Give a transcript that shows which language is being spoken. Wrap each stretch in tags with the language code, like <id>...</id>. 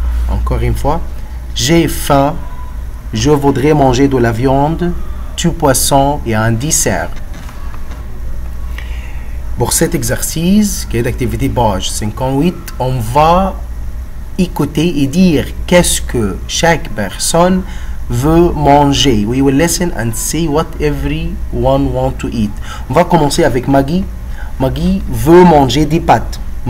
<fr>Encore une fois, j'ai faim, je voudrais manger de la viande, du poisson et un dessert. Pour cet exercice, qui est d'activité Bauge 58, on va écouter et dire qu'est-ce que chaque personne veut manger.</fr> <en>We will listen and see what everyone want to eat.</en> <fr>On va commencer avec Maggie. Maggie veut manger des pâtes.</fr>